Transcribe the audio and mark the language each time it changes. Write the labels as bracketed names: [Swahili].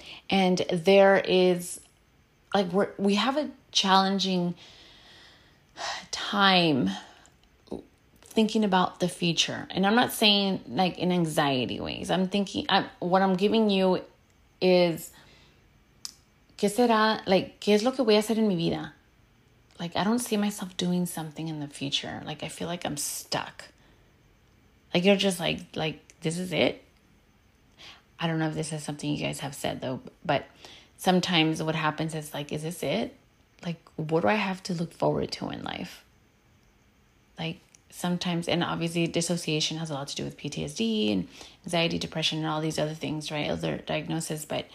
[English] And there is, like, we have a challenging time thinking about the future. And I'm not saying, like, in anxiety ways. What I'm giving you is, [Spanish] ¿qué será? Like, ¿qué es lo que voy a hacer en mi vida? [English] Like, I don't see myself doing something in the future. Like, I feel like I'm stuck. Like, you're just like, this is it. I don't know if this is something you guys have said, though, but sometimes what happens is like, is this it? Like, what do I have to look forward to in life? Like, sometimes, and obviously dissociation has a lot to do with PTSD and anxiety, depression, and all these other things, right? Other diagnoses.